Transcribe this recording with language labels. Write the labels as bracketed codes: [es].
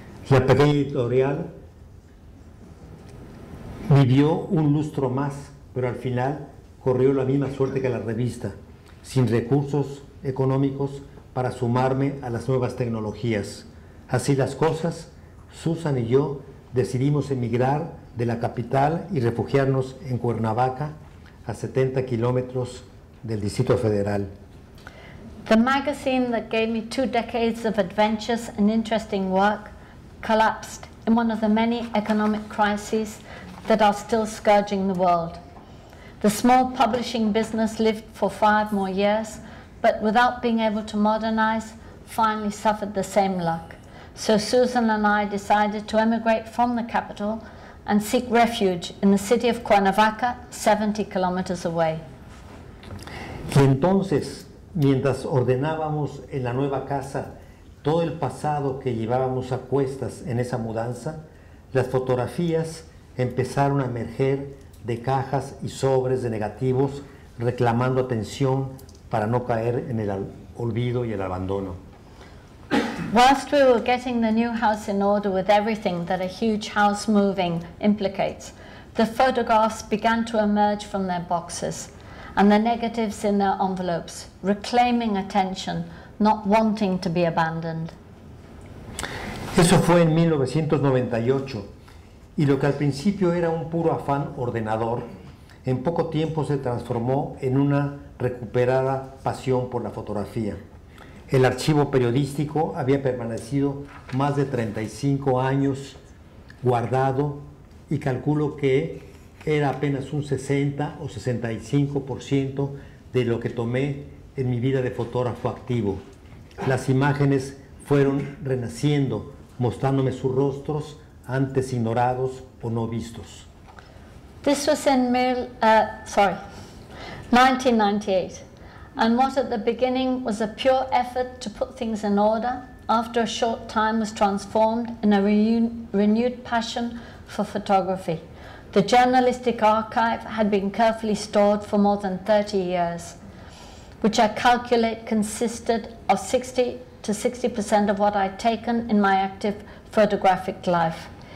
[es] La pequeña editorial vivió un lustro más, pero al final corrió la misma suerte que la revista, sin recursos económicos para sumarme a las nuevas tecnologías. Así las cosas, Susan y yo decidimos emigrar de la capital y refugiarnos en Cuernavaca, a 70 kilómetros del Distrito Federal. [en] The magazine that gave me two decades of adventures and interesting work collapsed in one of the many economic crises that are still scourging the world. The small publishing business lived for 5 more years, but without being able to modernize, finally suffered the same luck. So Susan and I decided to emigrate from the capital and seek refuge in the city of Cuernavaca, 70 kilometers away. [es] Y entonces, mientras ordenábamos en la nueva casa todo el pasado que llevábamos a cuestas en esa mudanza, las fotografías empezaron a emerger de cajas y sobres de negativos, reclamando atención para no caer en el olvido y el abandono. [en] Whilst we were getting the new house in order with everything that a huge house moving implicates, the photographs began to emerge from their boxes and the negatives in their envelopes, reclaiming attention, not wanting to be abandoned. [es] Eso fue en 1998, y lo que al principio era un puro afán ordenador, en poco tiempo se transformó en una recuperada pasión por la fotografía. El archivo periodístico había permanecido más de 35 años guardado, y calculo que era apenas un 60 o 65% de lo que tomé en mi vida de fotógrafo activo. Las imágenes fueron renaciendo, mostrándome sus rostros antes ignorados o no vistos. [en] This was in 1998. And what at the beginning was a pure effort to put things in order after a short time was transformed in a renewed passion for photography. The journalistic archive had been carefully stored for more than 30 years, which I calculate consisted of 60 to 60% of what I'd taken in my active photographic life.